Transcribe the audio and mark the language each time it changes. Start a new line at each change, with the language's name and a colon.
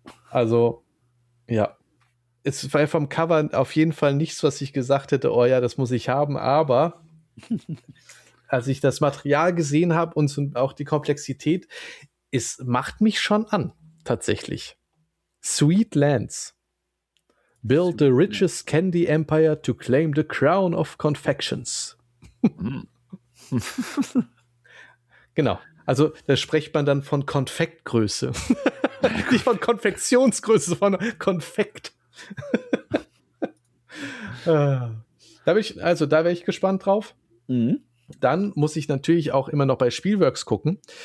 German: Also, ja. Es war vom Cover auf jeden Fall nichts, was ich gesagt hätte, oh ja, das muss ich haben, aber als ich das Material gesehen habe und so auch die Komplexität, es macht mich schon an, tatsächlich.
English: Sweetlands. Build the richest candy empire to claim the crown of confections.
German: Genau. Also da spricht man dann von Konfektgröße. Nicht von Konfektionsgröße, sondern Konfekt. Da bin ich, also da wäre ich gespannt drauf. Mhm. Dann muss ich natürlich auch immer noch bei Spielworks gucken.